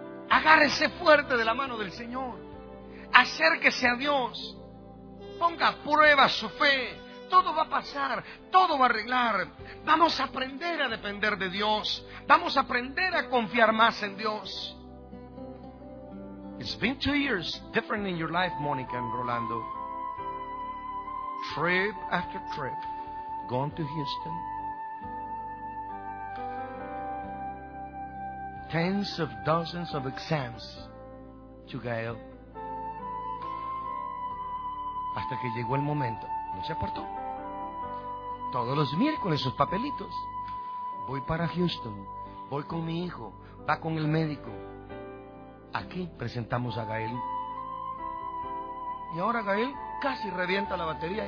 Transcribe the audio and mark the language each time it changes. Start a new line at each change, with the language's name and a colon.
Spanish: Agárrese fuerte de la mano del Señor. Acérquese a Dios. Ponga a prueba su fe. Todo va a pasar, todo va a arreglar. Vamos a aprender a depender de Dios. Vamos a aprender a confiar más en Dios.
English: It's been 2 years different in your life, Monica and Rolando. Trip after trip, gone to Houston. Tens of dozens of exams to Gael.
Spanish: Hasta que llegó el momento, no se apartó. Todos los miércoles sus papelitos. Voy para Houston, voy con mi hijo, va con el médico. Aquí presentamos a Gael. Y ahora Gael casi revienta la batería.